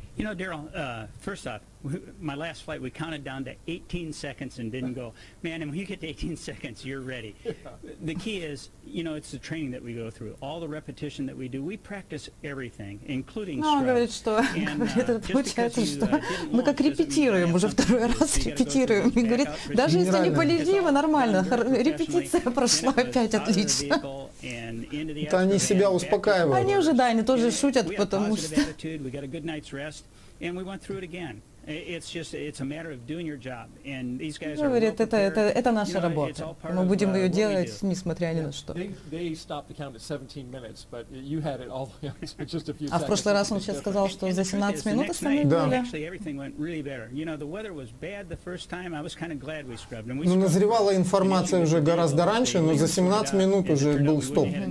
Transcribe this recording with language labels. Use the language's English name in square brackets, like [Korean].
[English] You know, Daryl, first off, my last flight, we counted down to 18 seconds and didn't go. Man, and when you get to 18 seconds, you're ready. The key is, you know, it's the training that we go through, all the repetition that we do. We practice everything, including strokes. [Russian] Ну, он говорит, что, говорит, это получается, что мы как репетируем, уже второй раз репетируем. И говорит, даже если не полетим, нормально, репетиция прошла опять отлично. Это они себя успокаивают. Они уже, да, они тоже шутят, потому что... [English] We got a good night's rest, and we went through it again. It's just, it's a matter of doing your job. And these guys are [Russian] говорит, это наша работа. Мы будем ее делать, несмотря ни на что. [English] They stopped the count at 17 minutes, but you had it all the way up. Just a few seconds. [Russian] А в прошлый раз он сейчас сказал, что за 17 минут остановили. Ну, назревала информация уже гораздо раньше, но за 17 минут уже был стоп.